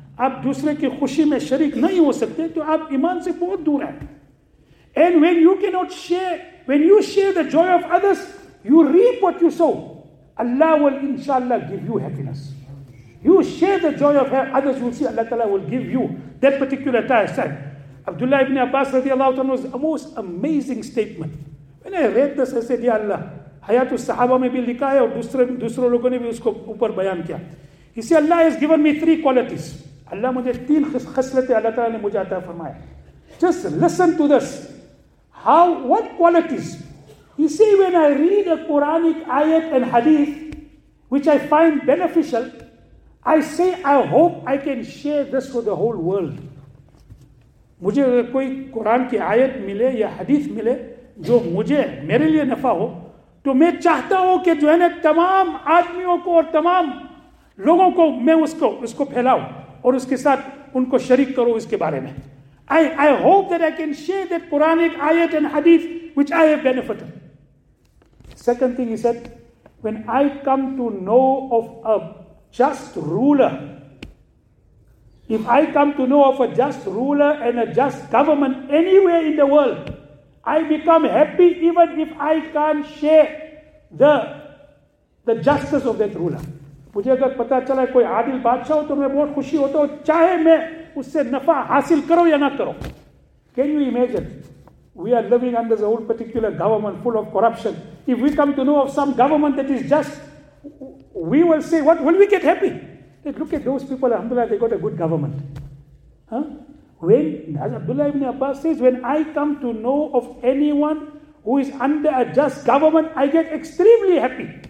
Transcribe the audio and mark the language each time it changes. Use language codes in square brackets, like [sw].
[ur] آپ دوسرے کی خوشی میں شریک نہیں ہو سکتے تو آپ ایمان سے بہت دور ہیں. [en] And when you cannot share, when you share the joy of others, you reap what you sow. Allah will inshallah give you happiness. You share the joy of others, you'll see Allah Ta'ala will give you that particular task. Abdullah ibn Abbas رضی اللہ عنہ was a most amazing statement. When I read this, I said, Ya Allah, [ur] حیات الصحابہ میں بھی لکھا ہے اور دوسروں لوگوں نے بھی اس کو اوپر بیان کیا. [en] He said, Allah has given me three qualities. [ur] Allah مجھے تین خصلتیں اللہ تعالیٰ نے مجھے عطا فرمایا. [en] Just listen to this. How, what qualities? He said, when I read a Quranic ayat and hadith, which I find beneficial, I say, I hope I can share this with the whole world. [ur] مجھے کوئی قرآن کی آیت ملے یا حدیث ملے جو مجھے میرے لیے نفع ہو, تو میں چاہتا ہوں کہ جو ہے نا تمام آدمیوں کو اور تمام لوگوں کو میں اس کو پھیلاؤں اور اس کے ساتھ ان کو شریک کروں اس کے بارے میں. [en] I hope that I can share that Quranic ayat and hadith which I have benefited. Second thing he said, when I come to know of a just ruler, if I come to know of a just ruler and a just government anywhere in the world, I become happy even if I can't share the justice of that ruler. [ur] مجھے اگر پتا چلا ہے کوئی عادل بادشاہ ہو تو میں بہت خوشی ہوتا ہوں, چاہے میں اس سے نفع حاصل کرو یا نہ کرو. [en] Can you imagine? We are living under the whole particular government full of corruption. If we come to know of some government that is just, we will say, what? Will we get happy? Look at those people, alhamdulillah, they got a good government. Huh? When, as Abdullah ibn Abbas says, when I come to know of anyone who is under a just government, I get extremely happy.